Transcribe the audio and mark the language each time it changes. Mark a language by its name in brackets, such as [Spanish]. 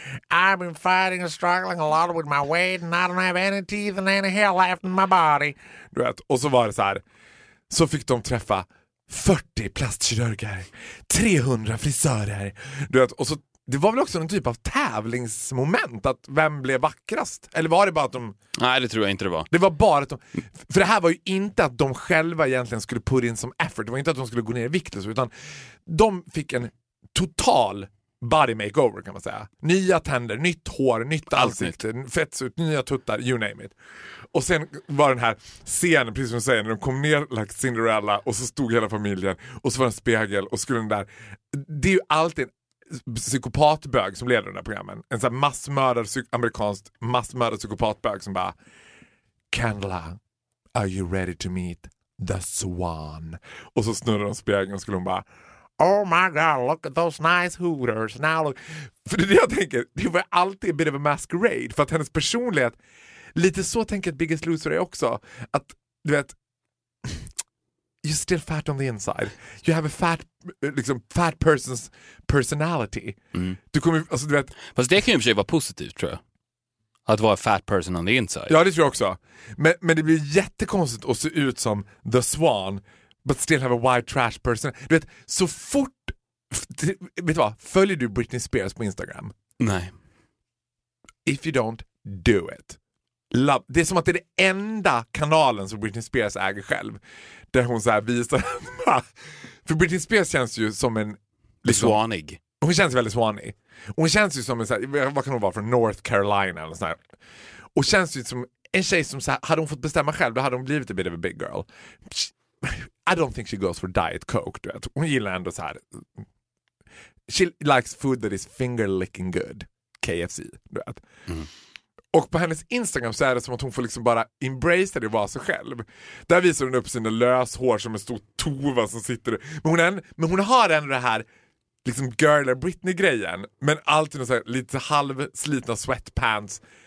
[English] I've been fighting and struggling a lot with my weight and I don't have any teeth and any hair left in my body. [Swedish] Du vet, och så var det så här, så fick de träffa 40 plastkirurger, 300 frisörer. Du vet, och så, det var väl också en typ av tävlingsmoment, att vem blev vackrast? Eller var det bara att de... Nej, det tror jag inte det var. Det var bara att de... För det här var ju inte att de själva egentligen skulle put in som effort. Det var inte att de skulle gå ner i vikt, utan de fick en [English] total body makeover, [Swedish] kan man säga. Nya tänder, nytt hår, nytt ansikte, fets ut, nya tuttar, [English] you name it. [Swedish] Och sen var den här scenen, precis som du säger, när de kom ner [English] like Cinderella [Swedish] och så stod hela familjen och så var en spegel och skulle den där... Det är ju alltid... psykopatbög som leder den här programmen. En sån här massmördad, amerikanskt massmördad psykopatbög som bara: [English] Candela, are you ready to meet the swan? [Swedish] Och så snurrar de spegeln och skulle hon bara: [English] oh my god, look at those nice hooters. Now look. [Swedish] För det är det jag tänker. Det var alltid [English] a bit of a masquerade. [Swedish] För att hennes personlighet, lite så tänker jag att Biggest Loser är också. Att, du vet, [English] you're still fat on the inside. You have a fat, liksom, fat person's personality. Mm. [Swedish] Du kommer, alltså, du vet. Fast det kan ju i och för sig vara positivt, tror jag. Att vara [English] a fat person on the inside. [Swedish] Ja, det tror jag också. Men det blir jättekonstigt att se ut som the swan, [English] but still have a white trash person. [Swedish] Du vet, så fort, vet du vad, följer du Britney Spears på Instagram? Nej. [English] If you don't, do it. Love. [Swedish] Det är som att det är den enda kanalen som Britney Spears äger själv. Där hon så här visar. För Britney Spears känns ju som en liksom, swanig. Hon känns väldigt swanig. Hon känns ju som en så här, vad kan hon vara, från North Carolina eller så här. Och känns ju som en tjej som så här, hade hon fått bestämma själv, då hade hon blivit [English] a bit of a big girl. I don't think she goes for diet coke, [Swedish] du vet. Hon gillar ändå så här. [English] She likes food that is finger licking good. [Swedish] KFC, du vet. Mm. Och på hennes Instagram så är det som att hon får liksom bara embrace det och vara sig själv. Där visar hon upp sina löshår som en stor tova som sitter. Men hon har ändå det här liksom girl or Britney-grejen. Men alltid så här, lite halvslitna sweatpants.